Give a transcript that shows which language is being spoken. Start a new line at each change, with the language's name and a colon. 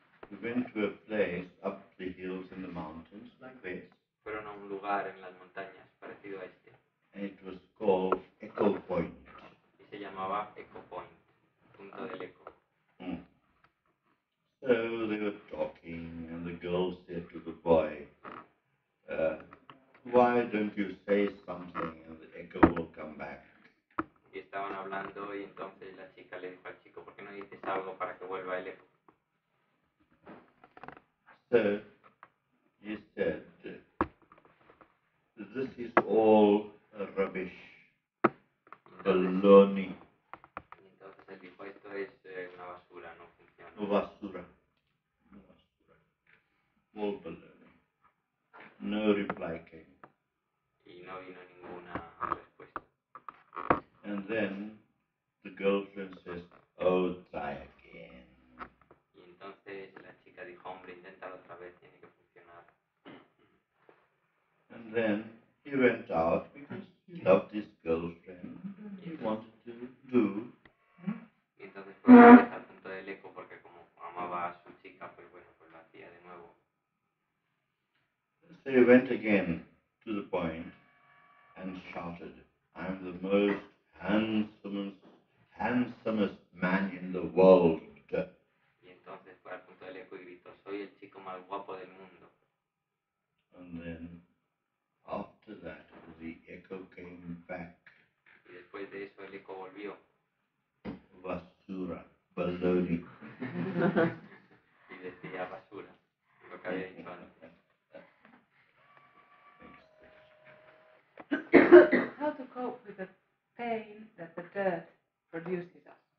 English: We went to a place up the hills in the mountains like this.
Spanish: Fueron a un lugar en las montañas parecido a este.
English: And it was called Echo Point.
Spanish: Y se llamaba Echo Point, punto del eco.
English: So they were talking and the girl said to the boy, why don't you say something and the echo will come back?
Spanish: Y estaban hablando y entonces la chica le dijo al chico, ¿por qué no dices algo para que vuelva el eco?
English: So he said, this is all rubbish, baloney.
Spanish: Y entonces él dijo, esto es una basura, no funciona. No basura. No basura.
English: All baloney. No reply came.
Spanish: Y no vino ninguna respuesta.
English: And then the girlfriend says, oh, try again.
Spanish: Y entonces la chica dijo, hombre, inténtalo otra vez, tiene que funcionar.
English: And then he went out because he loved his girlfriend. He wanted to do.
Spanish: Y entonces fue a ver al punto del eco porque como amaba a su chica, pues bueno, pues lo hacía de nuevo.
English: So he went again to the point and shouted, I'm the most handsomest man in the world.
Spanish: Y entonces fue al punto del eco y gritó, soy el chico más guapo del mundo.
English: And then, after that, the echo came back.
Spanish: Y después de eso el eco volvió. Basura, baloney. Y decía basura, lo que había dicho antes.
English: How to cope with the pain that the dirt produces us?